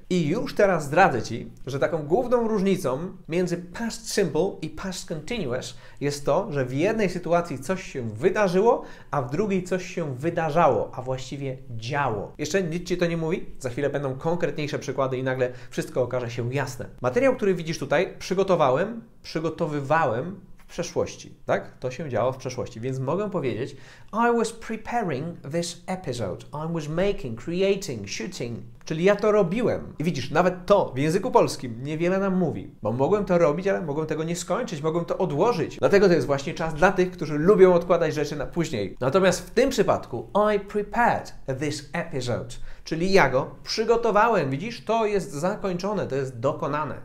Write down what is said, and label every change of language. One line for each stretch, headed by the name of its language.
Polish: I już teraz zdradzę Ci, że taką główną różnicą między past simple i past continuous jest to, że w jednej sytuacji coś się wydarzyło, a w drugiej coś się wydarzało, a właściwie działo. Jeszcze nic Ci to nie mówi? Za chwilę będą konkretniejsze przykłady i nagle wszystko okaże się jasne. Materiał, który widzisz tutaj, przygotowywałem w przeszłości, tak? To się działo w przeszłości, więc mogę powiedzieć
English: I was preparing this episode. I was making, creating, shooting.
Polish: Czyli ja to robiłem. I widzisz, nawet to w języku polskim niewiele nam mówi. Bo mogłem to robić, ale mogłem tego nie skończyć, mogłem to odłożyć. Dlatego to jest właśnie czas dla tych, którzy lubią odkładać rzeczy na później. Natomiast w tym przypadku
English: I prepared this episode.
Polish: Czyli ja go przygotowałem. Widzisz, to jest zakończone, to jest dokonane.